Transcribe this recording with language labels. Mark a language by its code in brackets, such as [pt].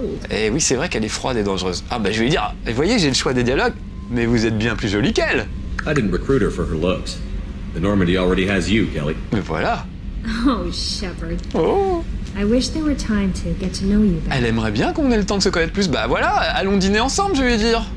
[fr] Et oui, c'est vrai qu'elle est froide et dangereuse. Ah bah je vais lui dire, vous voyez, j'ai le choix des dialogues, mais vous êtes bien plus jolie qu'elle. [en] I didn't recruit her for her looks. The Normandy already has you, Kelly. [fr] Mais voilà. Oh, Shepard. Oh. [en] I wish there were time to get to know you better. [fr] Elle aimerait bien qu'on ait le temps de se connaître plus. Bah voilà, allons dîner ensemble, je vais dire.